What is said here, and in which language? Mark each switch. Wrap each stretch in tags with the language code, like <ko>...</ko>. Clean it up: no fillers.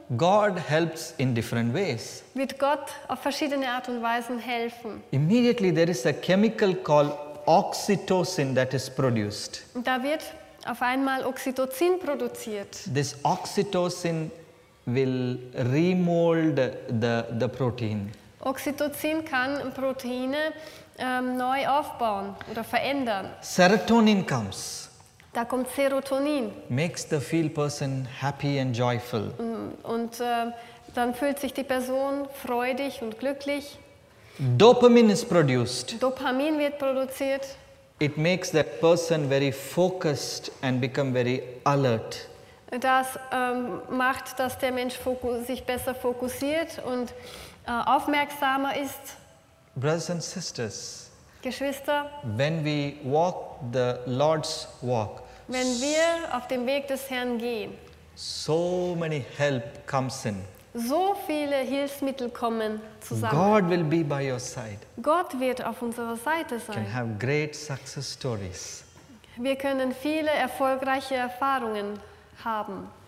<en>God helps in different ways.</en> <de>Wird Gott auf verschiedene Art und Weisen helfen.</de> <en>Immediately there is a chemical called oxytocin that is produced.</en> <de>Da wird auf einmal Oxytocin produziert.</de> <en>This oxytocin will remold the protein.</en> <de>Oxytocin kann Proteine neu aufbauen oder verändern.</de> <en>Serotonin comes.</en> <de>Da kommt Serotonin.</de> <en>Makes the feel person happy and joyful.</en> <de>Und dann fühlt sich die Person freudig und glücklich.</de> <en>Dopamine is produced.</en> <de>Dopamin wird produziert.</de> <en>It makes that person very focused and become very alert.</en> <de>Das macht, dass der Mensch sich besser fokussiert und aufmerksamer ist.</de> <en>Brothers and sisters,</en> <de>Geschwister,</de> <en>when we walk the Lord's walk,</en> <de>wenn wir auf dem Weg des Herrn gehen,</de> <en>so many help comes in.</en> <de>So viele Hilfsmittel kommen zusammen.</de> <en>God will be by your side.</en> <de>Gott wird auf unserer Seite sein.</de> <en>Can have great success stories.</en> <de>Wir können viele erfolgreiche Erfahrungen haben.</de>